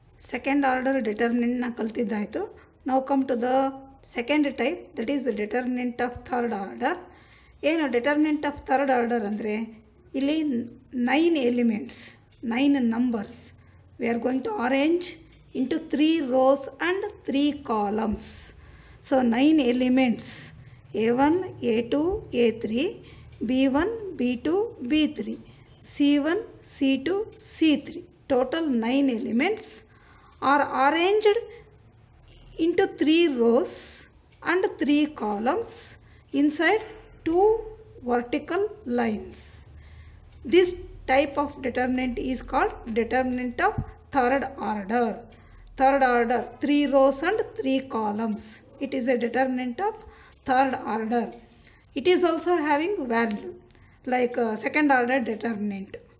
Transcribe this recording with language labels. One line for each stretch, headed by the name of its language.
Kannada: Second order ಡಿಟರ್ಮಿನೆಂಟ್ನ ಕಲ್ತಿದ್ದಾಯಿತು.
English: Now come to the second type, that is determinant of third order.
Kannada: ಏನು determinant of third order ಅಂದರೆ, ಇಲ್ಲಿ 9 elements, 9 numbers
English: We are going to arrange into 3 rows and 3 columns. So 9 elements A1, A2, A3, B1, B2, B3, C1, C2, C3, total 9 elements are arranged into 3 rows and 3 columns inside 2 vertical lines. This type of determinant is called determinant of third order. Third order 3 rows and 3 columns, it is a determinant of third order. It is also having value like second order determinant.